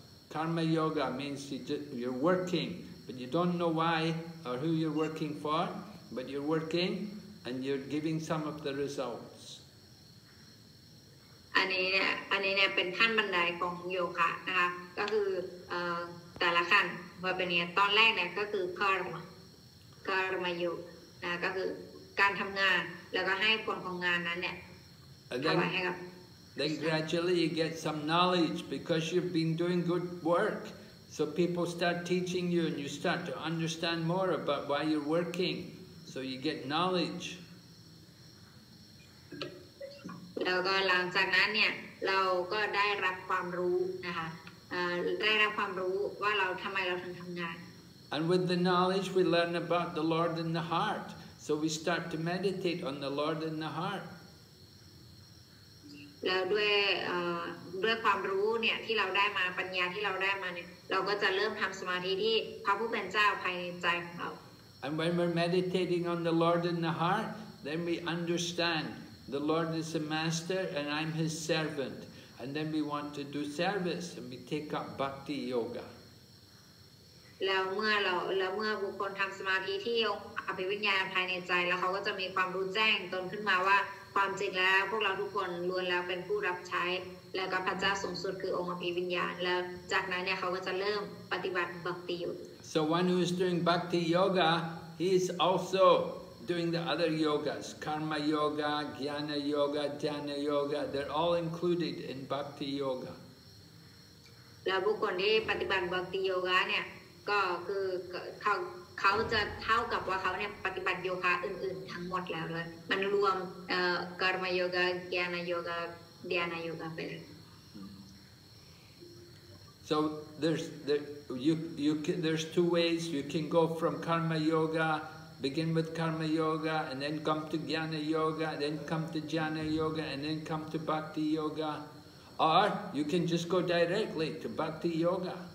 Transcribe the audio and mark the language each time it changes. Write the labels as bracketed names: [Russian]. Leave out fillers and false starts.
[English] Karma yoga means you're working, but you don't know why or who you're working for, but you're working and you're giving some of the results. [Thai] อันนี้เนี่ยเป็นขั้นบันไดของโยคะนะคะก็คือแต่ละขั้นว่าเป็นเนี่ยตอนแรกเนี่ยก็คือคาร์มาโยนะก็คื การทำงานแล้วก็ให้ผลของงานนั้นเนี่ย ถวายให้กับ [English] Then gradually you get some knowledge because you've been doing good work. So people start teaching you and you start to understand more about why you're working. So you get knowledge. [Thai] แล้วก็หลังจากนั้นเนี่ยเราก็ได้รับความรู้นะคะได้รับความรู้ว่าเราทำไมเราถึงทำงาน [English] And with the knowledge we learn about the Lord in the heart. So we start to meditate on the Lord in the heart. [Thai] แล้วด้วยความรู้เนี่ยที่เราได้มาปัญญาที่เราได้มาเนี่ยเราก็จะเริ่มทำสมาธิที่พระผู้เป็นเจ้าภายในใจของเรา [English] And when we're meditating on the Lord in the heart, then we understand the Lord is a master and I'm his servant. And then we want to do service and we take up bhakti yoga. [Thai] แล้วเมื่อบุคคลทำสมาธิที่อภิวิญญาณภายในใจแล้วเขาก็จะมีความรู้แจ้งตนขึ้นมาว่าความจริงแล้วพวกเราทุกคนล้วนแล้วเป็นผู้รับใช้แล้วก็พระเจ้าสูงสุดคือองค์อภิวิญญาณแล้วจากนั้นเนี่ยเขาก็จะเริ่มปฏิบัติบัคติอยู่ [English] So one who is doing bhakti yoga he is also doing the other yogas karma yoga jnana yoga dhyana yoga they're all included in bhakti yoga [Thai] แล้วบุคคลที่ปฏิบัติบัคติโยคะเนี่ยก็คือเขาจะเท่ากับว่าเขาเนี่ยปฏิบัติโยคะอื่นๆทั้งหมดแล้วเลยมันรวมกรรมโยคะญาณโยคะฌานโยคะไปเลย [English] So there's two ways you can go from karma yoga begin with karma yoga and then come to jnana yoga then come to jnana yoga and then come to bhakti yoga or you can just go directly to bhakti yoga